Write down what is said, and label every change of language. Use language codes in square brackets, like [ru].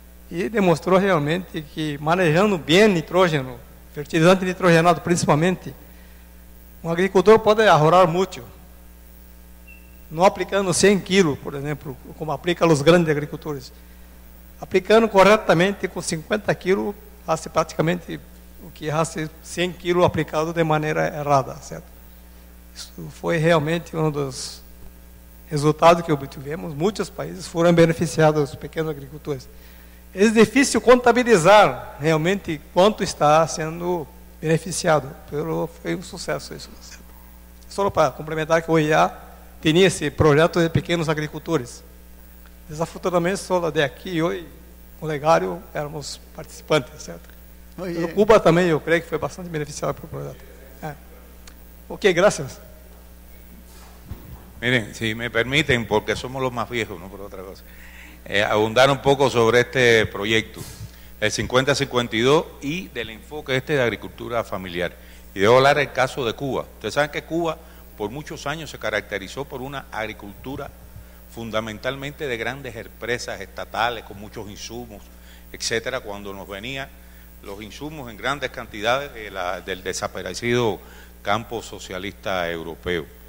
[es] Y demostró realmente que manejando bien nitrógeno, fertilizante nitrogenado principalmente, un agricultor puede ahorrar mucho. No aplicando 100 kilos, por ejemplo, como aplican los grandes agricultores. Aplicando correctamente con 50 kilos, hace prácticamente o que hace 100 kilos aplicado de manera errada, certo? [pt] Isso foi realmente um dos resultados que obtivemos. Muitos países foram beneficiados, pequenos agricultores. É difícil contabilizar realmente quanto está sendo beneficiado, mas foi um sucesso isso. Certo? Só para complementar que o IA tinha esse projeto de pequenos agricultores. Desafortunadamente, só de aqui e hoje, o legário, éramos participantes, certo? Oh, yeah. Cuba também, eu creio que foi bastante beneficiado pelo projeto. [es] Ok, gracias. Miren, si me permiten, porque somos los más viejos, no por otra cosa, abundar un poco sobre este proyecto, el 50-52 y del enfoque este de agricultura familiar. Y debo hablar del caso de Cuba. Ustedes saben que Cuba por muchos años se caracterizó por una agricultura fundamentalmente de grandes empresas estatales con muchos insumos, etcétera, cuando nos venían los insumos en grandes cantidades del desaparecido campo socialista europeo.